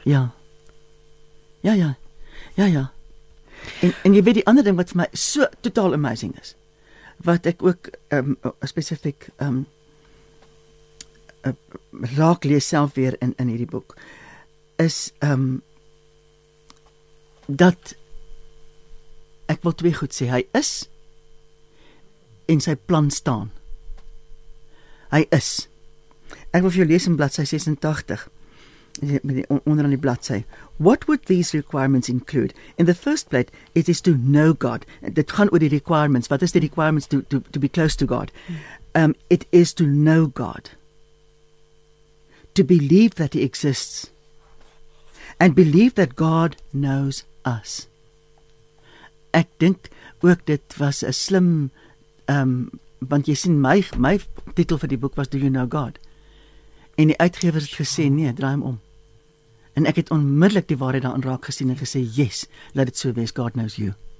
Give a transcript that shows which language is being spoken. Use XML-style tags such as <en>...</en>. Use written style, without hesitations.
<af>Ja. Ja, ja. Ja, ja. En jy weet die ander ding wat vir my so totaal amazing is, wat ek ook spesifiek raak lees self weer in hierdie boek, is dat ek wil twee goed sê, hy is en sy plan staan. Hy is. Ek wil vir jou lees in bladsy 86, onder aan die bladsy.</af> <en>What would these requirements include? In the first place, it is to know God.</en> <af>Dit gaan oor die requirements. Wat is die</af> <en>requirements to be close to God? It is to know God. To believe that he exists. And believe that God knows us.</en> <af>Ek dink ook dit was 'n slim want jy sien my titel vir die boek was Do You Know God? En die uitgewers het gesê nee, draai hom om. En ek het onmiddellik die waarheid daarin raak gesien en gesê yes, laat dit so wees,</af> <en>God knows you.</en>